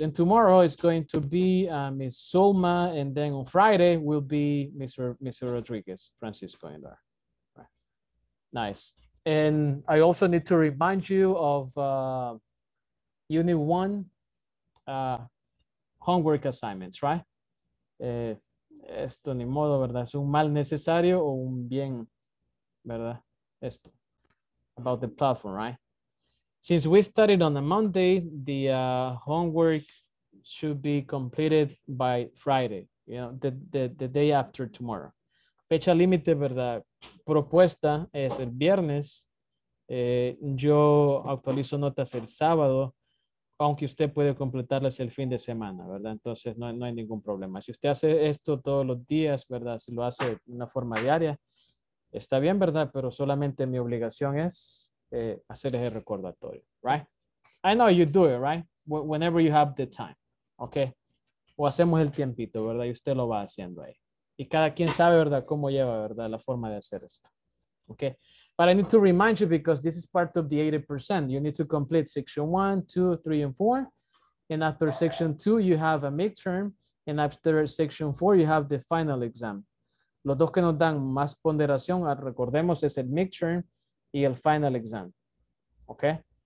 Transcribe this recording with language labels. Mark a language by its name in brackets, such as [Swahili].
[English] And tomorrow is going to be Miss Zulma, and then on Friday will be Mr. Rodriguez, Francisco in there. Nice. And I also need to remind you of unit one homework assignments, right? [Spanish] Esto ni modo, ¿verdad? Es un mal necesario o un bien, ¿verdad? [English] Esto. About the platform, right? Since we started on a Monday, the homework should be completed by Friday, you know, the day after tomorrow. [Spanish] Fecha límite, ¿verdad? Propuesta es el viernes. Yo actualizo notas el sábado, aunque usted puede completarlas el fin de semana, ¿verdad? Entonces no hay ningún problema. Si usted hace esto todos los días, ¿verdad? Si lo hace de una forma diaria, está bien, ¿verdad? Pero solamente mi obligación es hacer ese recordatorio, ¿right? [English] I know you do it, ¿right? Whenever you have the time, ¿ok? [Spanish] O hacemos el tiempito, ¿verdad? Y usted lo va haciendo ahí. Y cada quien sabe, ¿verdad?, cómo lleva, ¿verdad?, la forma de hacer esto. [English] Okay. But I need to remind you because this is part of the 80%. You need to complete section 1, 2, 3, and 4. And after section 2, you have a midterm. And after section 4, you have the final exam. [Spanish] Los dos que nos dan más ponderación, recordemos, es el midterm y el final exam. Okay.